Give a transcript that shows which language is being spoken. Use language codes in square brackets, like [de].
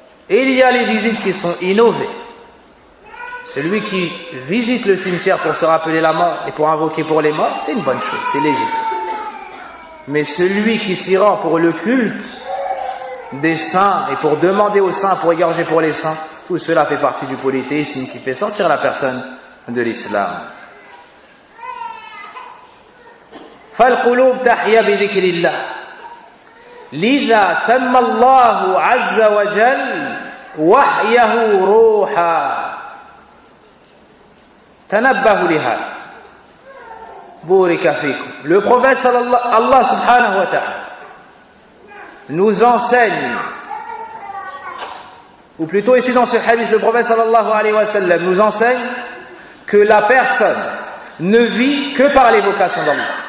[fr] Et il y a les visites qui sont innovées. Celui qui visite le cimetière pour se rappeler la mort et pour invoquer pour les morts, c'est une bonne chose, c'est légitime. Mais celui qui s'y rend pour le culte des saints et pour demander aux saints, pour égorger pour les saints, tout cela fait partie du polythéisme qui fait sortir la personne de l'islam. [ar] فالقلوب تحيا بذكر الله لذا سمى الله عز وجل وحيه روحا تنبهوا لهذا بورك فيكم. [fr] Le prophète sallallahu Allah subhanahu wa ta'ala nous enseigne, ou plutôt ici dans ce hadith, le prophète sallallahu alayhi wa sallam nous enseigne que la personne ne vit que par l'évocation d'Allah.